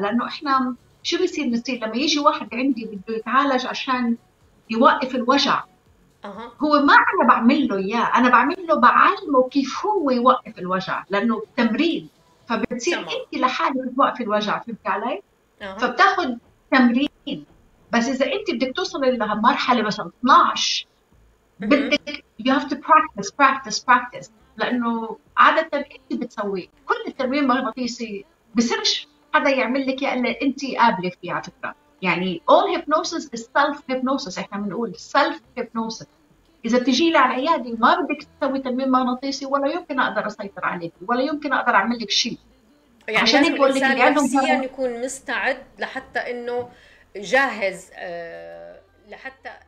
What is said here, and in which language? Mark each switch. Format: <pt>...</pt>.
<ar>لانه احنا شو بيصير، نصير لما يجي واحد عندي بده يتعالج عشان يوقف الوجع، هو ما انا بعمل له اياه، انا بعمل له بعلمه كيف هو يوقف الوجع، لانه تمرين، فبتصير انت لحالك توقف الوجع، فهمت علي؟ فبتاخذ تمرين. بس اذا انت بدك توصل لمرحله مثلا 12 بدك</ar> <en>you have to practice practice practice،</en> <ar>لانه عاده انت بتسوي كل التمرين المغناطيسي، بصيرش حدا يعمل لك اياه الا انت قابله فيه على فكره.</ar> <en>يعني all hypnosis is self hypnosis،</en> <ar>احنا بنقول</ar> <en>self hypnosis.</en> <ar>اذا بتجي لي على العياده ما بدك تسوي تنويم مغناطيسي، ولا يمكن اقدر اسيطر عليك، ولا يمكن اقدر اعمل لك شيء. يعني عشان يقول لك اللي عندهم يكون مستعد، لحتى انه جاهز لحتى</ar>